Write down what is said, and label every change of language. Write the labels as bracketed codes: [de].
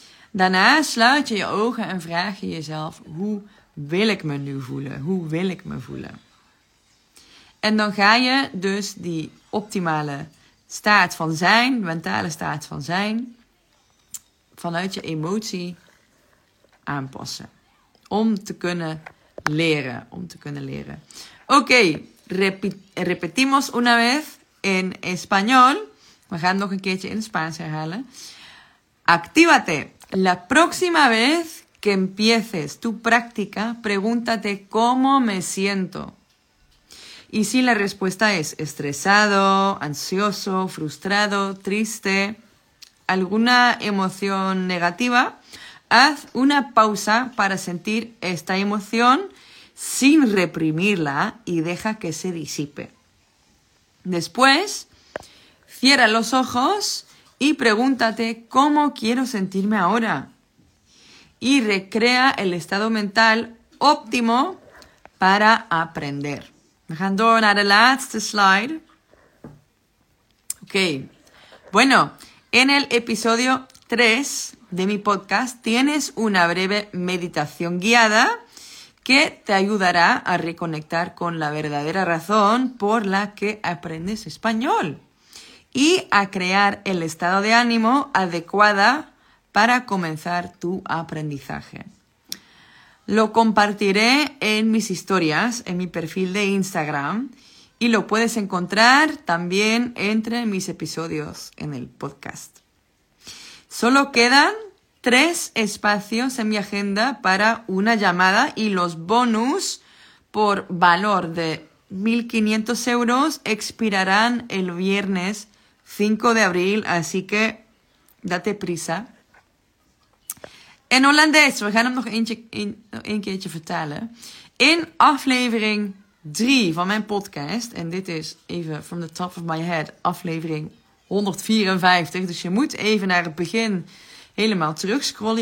[nl] Daarna sluit je je ogen en vraag je jezelf, hoe wil ik me nu voelen? Hoe wil ik me voelen? En dan ga je dus die optimale staat van zijn, mentale staat van zijn, vanuit je emotie aanpassen. Om te kunnen leren. Om te kunnen leren. [es] Oké, repetimos una vez en español. [nl] We gaan nog een keertje in Spaans herhalen. [es] Actívate. La próxima vez que empieces tu práctica, pregúntate cómo me siento. Y si la respuesta es estresado, ansioso, frustrado, triste, alguna emoción negativa, haz una pausa para sentir esta emoción sin reprimirla y deja que se disipe. Después, cierra los ojos y pregúntate cómo quiero sentirme ahora. Y recrea el estado mental óptimo para aprender. [nl] We gaan door naar de laatste slide. Oké. [es] Bueno, en el episodio 3 de mi podcast tienes una breve meditación guiada que te ayudará a reconectar con la verdadera razón por la que aprendes español y a crear el estado de ánimo adecuada para comenzar tu aprendizaje. Lo compartiré en mis historias, en mi perfil de Instagram, y lo puedes encontrar también entre mis episodios en el podcast. Solo quedan 3 espacios en mi agenda para una llamada y los bonus por valor de 1.500 euros expirarán el viernes 5 de abril, así que date prisa. En Hollandés, [nl] we gaan hem nog een keertje vertalen. In aflevering 3 van mijn podcast, en dit is even [en] from the top of my head, [nl] aflevering 154. Dus je moet even naar het begin helemaal terugscrollen.